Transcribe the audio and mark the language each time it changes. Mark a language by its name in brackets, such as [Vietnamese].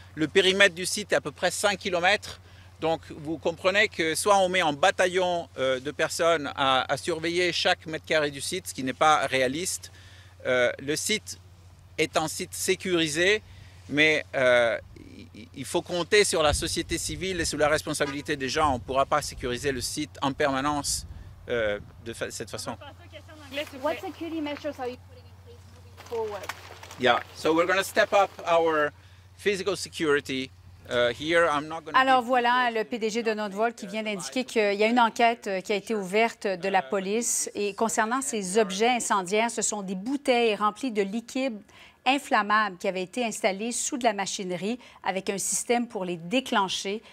[French] Le périmètre du site est à peu près 5 km. Donc, vous comprenez que soit on met en bataillon de personnes à surveiller chaque mètre carré du site, ce qui n'est pas réaliste. Le site est un site sécurisé, mais il faut compter sur la société civile et sur la responsabilité des gens. On ne pourra pas sécuriser le site en permanence de cette façon. [English] What security measures are you putting in place moving forward? Yeah, so we're going to step up our physical security. [French] Alors voilà le PDG de Nordvolt qui vient d'indiquer qu'il y a une enquête qui a été ouverte de la police et concernant ces objets incendiaires, ce sont des bouteilles remplies de liquide inflammable qui avaient été installées sous de la machinerie avec un système pour les déclencher.